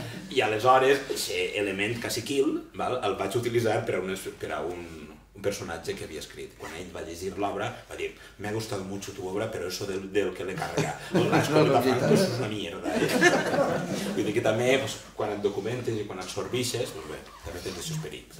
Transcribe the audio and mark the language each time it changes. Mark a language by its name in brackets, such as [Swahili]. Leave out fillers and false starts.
[Catalan] I aleshores, aquest element quasi kill, val, el vaig utilitzar per a un personatge que havia escrit. Quan ell va llegir l'obra, va dir, [Spanish] me ha gustado mucho tu obra, pero eso del que le carga. Es una mierda. [Catalan] Vull dir que també, pues, quan et documentes i quan absorbixes, pues bé, també tens aquests perills.